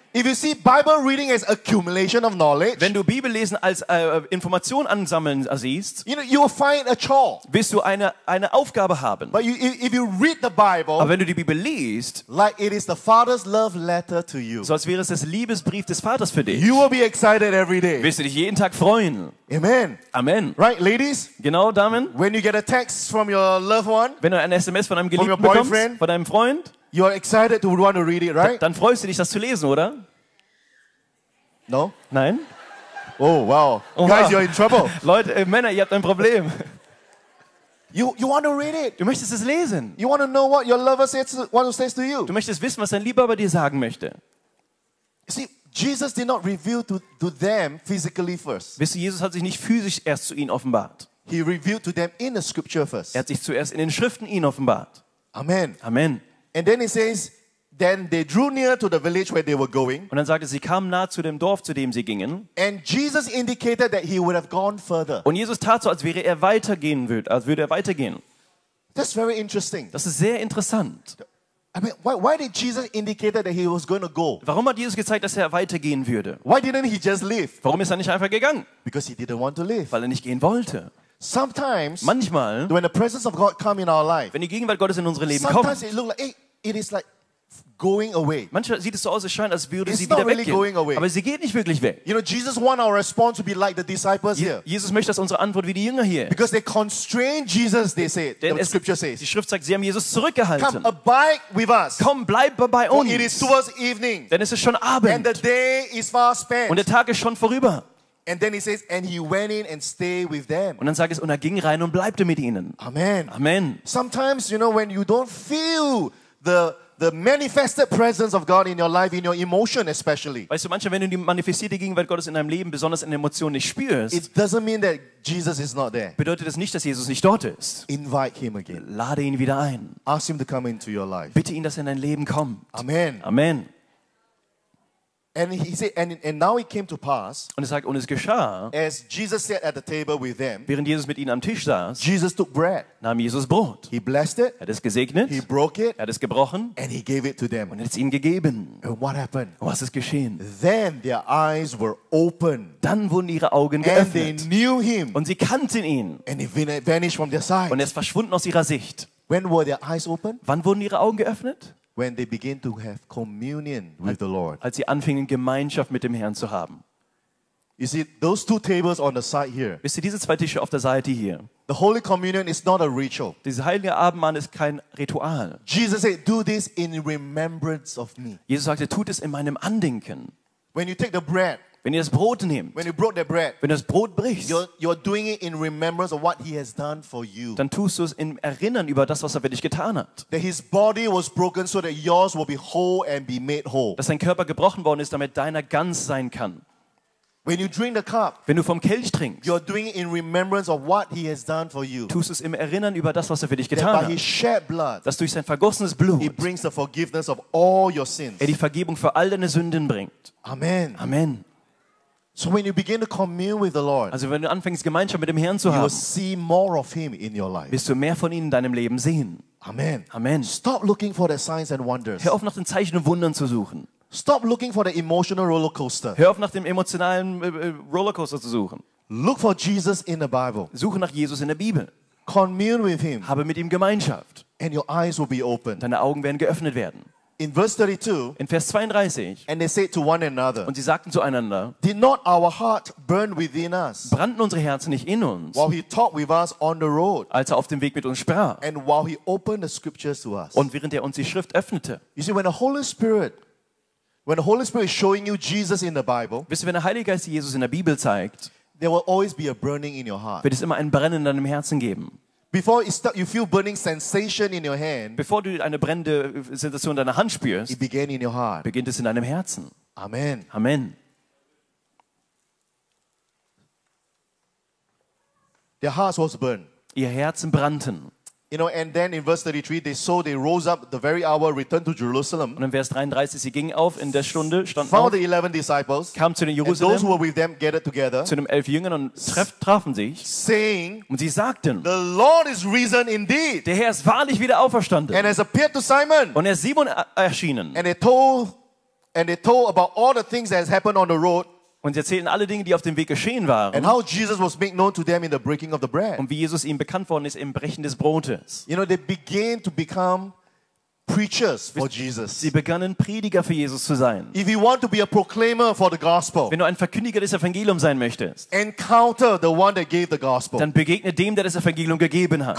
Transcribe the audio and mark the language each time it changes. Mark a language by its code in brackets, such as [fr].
[en] If you see Bible reading as accumulation of knowledge, [de] wenn du Bibel lesen als Information ansammeln siehst, [en] you know, you will find a chore. [de] Wirst du eine Aufgabe haben. [en] But if you read the Bible, [de] aber wenn du die Bibel liest, [en] like it is the Father's love letter to you, [de] so als wäre es das Liebesbrief des Vaters für dich, [en] you will be excited every day. [de] Wirst du dich jeden Tag freuen. [en] Amen. [de] Amen. [en] Right, ladies. [de] Genau, Damen. [en] When you get a text from your loved one, [de] wenn du ein SMS von einem Geliebten bekommst, von deinem Freund. [en] You are excited to want to read it, right? [de] Dann freust du dich, das zu lesen, oder? [en] No? [de] Nein? [en] Oh, wow. Oh, guys, wow. You're in trouble. [de] Leute, Männer, ihr habt ein Problem. [en] You want to read it. [de] Du möchtest es lesen. [en] You want to know what your lover says to you. [de] Du möchtest wissen, was dein Lieber bei dir sagen möchte. [en] You see, Jesus did not reveal to them physically first. [de] Wisst ihr, Jesus hat sich nicht physisch erst zu ihnen offenbart. [en] He revealed to them in the scripture first. [de] Er hat sich zuerst in den Schriften ihnen offenbart. [en] Amen. [de] Amen. [en] And then it says, then they drew near to the village where they were going. [de] Und dann sagte sie, kamen nahe zu dem Dorf, zu dem sie gingen. [en] And Jesus indicated that he would have gone further. [de] Und Jesus tat so, als wäre er weitergehen würde, als würde er weitergehen. [en] That's very interesting. [de] Das ist sehr interessant. [en] I mean, why did Jesus indicate that he was going to go? [de] Warum hat Jesus gezeigt, dass er weitergehen würde? [en] Why didn't he just leave? [de] Warum ist er nicht einfach gegangen? [en] Because he didn't want to leave. [de] Weil er nicht gehen wollte. [en] Sometimes, [de] manchmal, [en] when the presence of God comes in our life, [de] wenn die Gegenwart Gottes in unser Leben [en] sometimes [de] kommt, [en] it looks like it is like going away. [de] Manchmal sieht es so aus, es scheint, als würde [en] it's [de] sie wieder [en] really [de] weggehen. [en] Going away. [de] Aber sie geht nicht wirklich weg. [en] You know, Jesus wants our response to be like the disciples here. [de] Jesus möchte, dass unsere Antwort wie die Jünger hier. [en] Because they constrained Jesus, they said. [de] Denn [en] the scripture says. [de] Die Schrift sagt, sie haben Jesus zurückgehalten. [en] Come, abide with us. [de] Komm, bleib bei uns. [en] For it is towards evening. [de] Denn es ist schon Abend. [en] And the day is far spent. [de] Und der Tag ist schon vorüber. [en] And then he says, and he went in and stayed with them. [de] Und dann sagt es, und er ging rein und bleibte mit ihnen. [en] Amen. [de] Amen. [en] Sometimes, you know, when you don't feel the the manifested presence of God in your life, in your emotion especially. [de] Weißt du, manchmal, wenn du die manifestierte Gegenwart Gottes in deinem Leben, besonders in Emotionen, nicht spürst, [en] it doesn't mean that Jesus is not there. [de] Bedeutet das nicht, dass Jesus nicht dort ist. [en] Invite him again. [de] Lade ihn wieder ein. [en] Ask him to come into your life. [de] Bitte ihn, dass er in dein Leben kommt. [en] Amen. [de] Amen. [en] And he said, and now it came to pass. [de] Und er sagt, und es geschah, [en] as Jesus sat at the table with them, [de] während Jesus mit ihnen am Tisch saß, [en] Jesus took bread, [de] nahm Jesus Brot, [en] he blessed it, [de] er hat es gesegnet, [en] he broke it, [de] er hat es gebrochen, [en] and he gave it to them, [de] und er hat es ihnen gegeben. [en] And what happened? [de] Was ist geschehen? [en] Then their eyes were open, [de] dann wurden ihre Augen geöffnet, [en] and they knew him, [de] und sie kannten ihn, [en] and he vanished from their sight, [de] und er ist verschwunden aus ihrer Sicht. [en] When were their eyes open? [de] Wann wurden ihre Augen geöffnet? [en] When they begin to have communion with the Lord. [de] Als sie anfingen, Gemeinschaft mit dem Herrn zu haben. [en] You see, those two tables on the side here. [de] Wisst ihr, diese zwei Tische auf der Seite hier. [en] The Holy Communion is not a ritual. [de] Dieses heilige Abendmahl ist kein Ritual. [en] Jesus said, do this in remembrance of me. [de] Jesus sagte, tut es in meinem Andenken. [en] When you take the bread. [de] Wenn ihr das Brot nehmt, [en] when you broke the bread, [de] wenn du das Brot brichst, [en] you're doing it in remembrance of what he has done for you. [de] Dann tust du es in Erinnern über das, was er für dich getan hat. [en] That his body was broken so that yours will be whole and be made whole. [de] Dass dein Körper gebrochen worden ist, damit deiner ganz sein kann. [en] When you drink the cup, [de] wenn du vom Kelch trinkst, [en] you're doing it in remembrance of what he has done for you. [de] Tust es im Erinnern über das, was er für dich getan hat. [en] By his shed blood, [de] dass durch sein vergossenes Blut, [en] he brings the forgiveness of all your sins. [de] Er die Vergebung für all deine Sünden bringt. [en] Amen. [de] Amen. [en] So when you begin to commune with the Lord, [de] also wenn du anfängst Gemeinschaft mit dem Herrn zu haben, [en] you will see more of him in your life. [de] Wirst du mehr von ihm in deinem Leben sehen. [en] Amen. [de] Amen. [en] Stop looking for the signs and wonders. [de] Hör auf, nach den Zeichen und Wundern zu suchen. [en] Stop looking for the emotional roller coaster. [de] Hör auf, nach dem emotionalen Rollercoaster zu suchen. [en] Look for Jesus in the Bible. [de] Suche nach Jesus in der Bibel. [en] Commune with him. [de] Habe mit ihm Gemeinschaft. [en] And your eyes will be open. [de] Deine Augen werden geöffnet werden. [en] In verse 32, [de] in Vers 32, [en] and they said to one another, [de] und sie sagten zueinander, [en] did not our heart burn within us? [de] Brannten unsere Herzen nicht in uns? [en] While he talked with us on the road, [de] als er auf dem Weg mit uns sprach, [en] and while he opened the scriptures to us, [de] und während er uns die Schrift öffnete. [en] You see, when the Holy Spirit is showing you Jesus in the Bible, [de] wisst ihr, wenn der Heilige Geist Jesus in der Bibel zeigt, [en] there will always be a burning in your heart. [de] Wird es immer ein Brennen in deinem Herzen geben. [en] Before it start, you feel burning sensation in your hand. [de] Bevor du eine brennende Sensation in deiner Hand spürst, [en] it began in your heart. [de] Beginnt es in deinem Herzen. [en] Amen. [de] Amen. [en] Their hearts was burned. [de] Ihr Herzen brannten. [en] You know, and then in verse 33, they rose up the very hour, returned to Jerusalem. [de] Und in Vers 33, sie gingen auf in der Stunde, standen [en] found the 11 disciples, [de] kamen zu den Jerusalem, [en] and those who were with them gathered together, [de] zu den 11 Jüngern und trafen sich, [en] saying, [de] und sie sagten, [en] the Lord is risen indeed. [de] Der Herr ist wahrlich wieder auferstanden. [en] And has appeared to Simon. [de] Und er ist Simon erschienen. [en] And they told about all the things that has happened on the road. [de] Und sie erzählten alle Dinge, die auf dem Weg geschehen waren. [en] And how Jesus was made known to them in the breaking of the bread. [de] Und wie Jesus ihnen bekannt worden ist im Brechen des Brotes. [en] You know, they began to become preachers for Jesus. [de] Sie begannen Prediger für Jesus zu sein. [en] If you want to be a proclaimer for the gospel, [de] wenn du ein Verkündiger des Evangeliums sein möchtest, [en] encounter the one that gave the gospel. [de] Dann begegne dem, der das Evangelium gegeben hat.